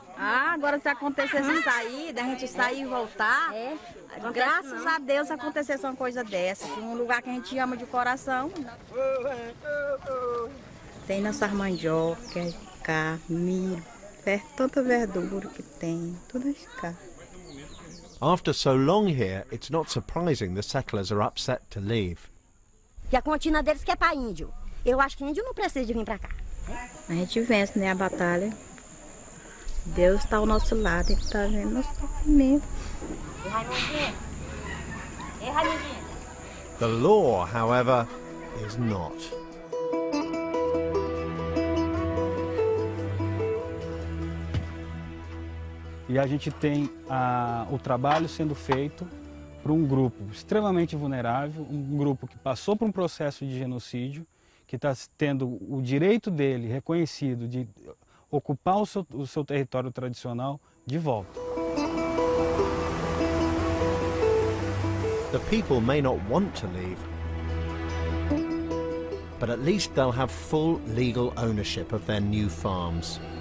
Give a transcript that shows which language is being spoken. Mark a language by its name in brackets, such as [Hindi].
[Portuguese] Ah, agora se acontecesse sair, da gente sair e voltar, graças a Deus acontecesse uma coisa dessa. Um lugar que a gente ama de coração. Tem nossas mandioca, cá, milho, tanta verdura que tem, tudo cá. [English] After so long here, it's not surprising the settlers are upset to leave. [Portuguese] E a contina deles que é para índio. Eu acho que índio não precisa de vir para cá. A gente vence, né, a batalha. Deus está ao nosso lado, ele está vendo nosso sofrimento. [English] The law, however, is not. [Portuguese] E a gente tem o trabalho sendo feito por um grupo extremamente vulnerável, um grupo que passou por um processo de genocídio, que está tendo o direito dele reconhecido de ocupar o seu território tradicional de volta. [English] The people may not want to leave, but at least they'll have full legal ownership of their new farms.